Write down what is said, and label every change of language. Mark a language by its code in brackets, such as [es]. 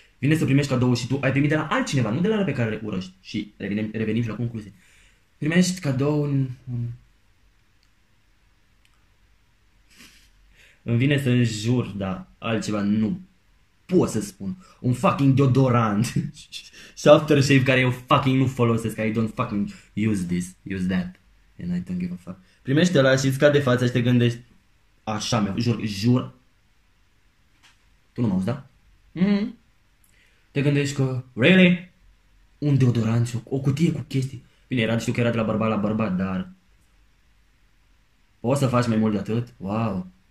[ro] Vine să primești cadou și tu ai primit de la altcineva, nu de la ăla pe care le urăști. Și revenim și la concluzie. Primești cadou Îmi vine să înjur, dar altceva nu pot să spun. Un fucking deodorant. Și aftershave care eu fucking nu folosesc. [en] I don't fucking use this, use that. And I don't give a fuck. [ro] Primește ăla și îți cade fața și te gândești. Așa mi-o, jur, jur. Tu nu mă auzi, da? Te gândești că, really? Un deodorant, o cutie cu chestii. Bine, era, știu că era de la bărbat la bărbat, dar... Poți să faci mai mult de atât? Wow!